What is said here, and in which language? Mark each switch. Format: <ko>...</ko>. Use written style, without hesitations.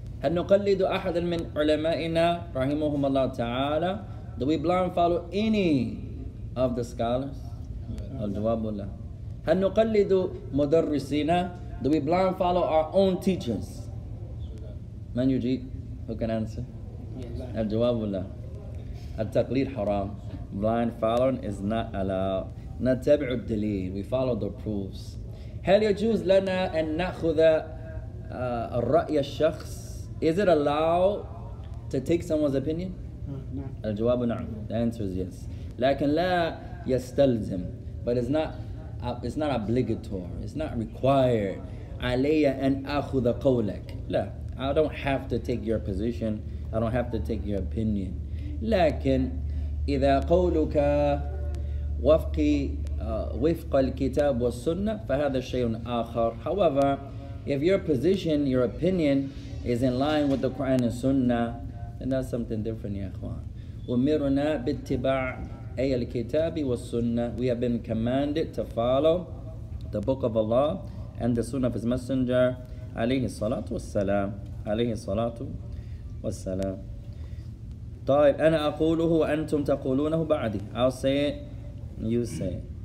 <ar>هل نقلد احد من علمائنا رحمهم الله تعالى?</ar> <en>Do we blind follow any of the scholars?</en> <ar>الجواب لا. هل نقلد مدرسينا?</ar> <en>Do we blind follow our own teachers?</en> <ar>من يجيب?</ar> <en>Who can answer?</en> <ar>الجواب لا. التقليد حرام.</ar> <en>Blind following is not allowed.</en> <ar>نتبع الدليل.</ar> <en>We follow the proofs.</en> <ar>هل يجوز لنا أن نأخذ الرأي الشخص?</ar> <en>Is it allowed to take someone's opinion?</en> <ar>الجواب نعم.</ar> <en>The answer is yes.</en> <ar>لكن لا يستلزم.</ar> <en>But it's not obligatory. It's not required.</en> <ar>علي أن أخذ قولك. لا.</ar> <en>I don't have to take your position. I don't have to take your opinion.</en> <ar>لكن إذا قولك وفق الكتاب والسنة فهذا شيء آخر.</ar> <en>However, if your position, your opinion is in line with the Quran and Sunnah, then that's something different,</en> <ar>يا إخوان. أمرنا باتباع أي الكتاب والسنة.</ar> <en>We have been commanded to follow the Book of Allah and the Sunnah of His Messenger,</en> <ar>عليه الصلاة والسلام. عليه الصلاة والسلام. طيب أنا أقوله وأنتم تقولونه بعدي.</ar> <en>I'll say it. You say.</en>